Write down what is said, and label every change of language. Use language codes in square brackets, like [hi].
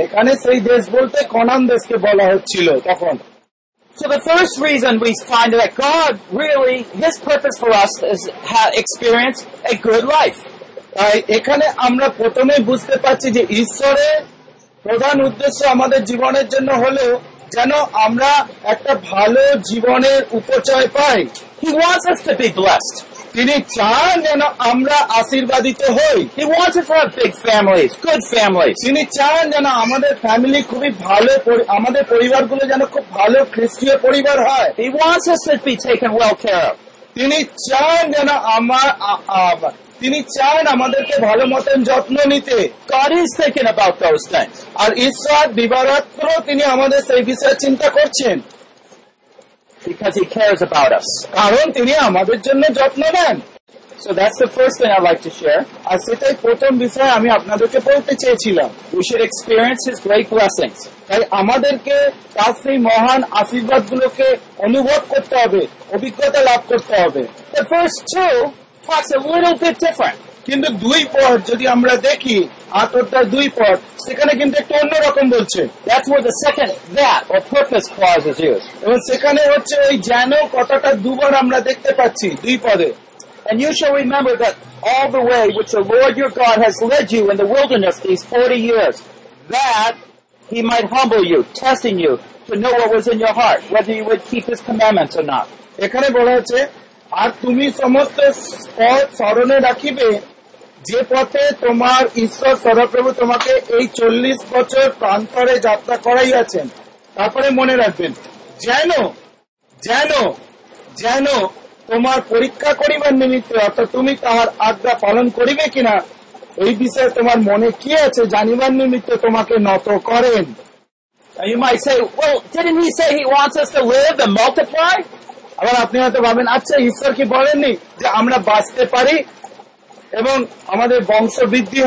[bn] এখানে সেই দেশ বলতে কনান দেশকে বলা হচ্ছিল তখন। [en] So the first reason we find that God really, his purpose for us is to experience a good life. [bn] তাই এখানে আমরা প্রথমেই বুঝতে পারছি যে ঈশ্বরের প্রধান উদ্দেশ্য আমাদের জীবনের জন্য হলো যেন আমরা একটা ভালো জীবনের উপচয় পাই। [en] He wants us to be blessed. [bn] তিনি চান যেন আমরা আশীর্বাদিত হই। [en] He wants us to have big families, good families. [bn] তিনি চান যেন আমাদের ফ্যামিলি খুবই ভালো, আমাদের পরিবারগুলো যেন খুব ভালো খ্রিস্টীয় পরিবার হয়। [en] He wants us to be taken well care of. [bn] তিনি চান যেন আমার তিনি চান আমাদেরকে ভালো মতন যত্ন নিতে। [en] God is thinking about those things. [bn] আর ঈশ্বর দিবারাত্র তিনি আমাদের সেই বিষয়ে চিন্তা করছেন। [en] Because he cares about us. [bn] কারণ তিনি আমাদের জন্য যত্ন নেন। [en] So that's the first thing I'd like to share. [bn] আর সেটাই প্রথম বিষয় আমি আপনাদেরকে বলতে চেয়েছিলাম। [en] We should experience his great blessings. [bn] তাই আমাদেরকে তার সেই মহান আশীর্বাদগুলোকে অনুভব করতে হবে, অভিজ্ঞতা লাভ করতে হবে। [en] The first two talks a little bit different. [bn] কিন্তু দুই পদ যদি আমরা দেখি, আটটার দুই পদ, সেখানে কিন্তু একটু অন্যরকম বলছে। [en] That's where the second that or purpose clause is used. [bn] এবং সেখানে হচ্ছে ওই যেন কথাটা দুবার আমরা দেখতে পাচ্ছি দুই পদে। [en] And you shall remember that all the way which the Lord your God has led you in the wilderness these 40 years, that he might humble you, testing you to know what was in your heart, whether you would keep his commandments or not. [bn] এখানে বলা হচ্ছে, আর তুমি সমস্ত পথ স্মরণে রাখিবে যে পথে তোমার ঈশ্বর সদাপ্রভু তোমাকে এই 40 বছর প্রান্তরে যাত্রা করাইয়াছেন। তারপরে মনে রাখবেন, যেন যেন যেন তোমার পরীক্ষা করিবার নিমিত্তে অর্থাৎ তুমি তাহার আজ্ঞা পালন করিবে কিনা এই বিষয়ে তোমার মনে কি আছে জানিবার নিমিত্তে তোমাকে নত করেন। [en] You might say, well, didn't he say he wants us to live and multiply? [bn] আবার আপনি হয়তো ভাবেন, আচ্ছা ঈশ্বর কি বলেননি যে আমরা বাঁচতে পারি এবং আমাদের বংশ বৃদ্ধি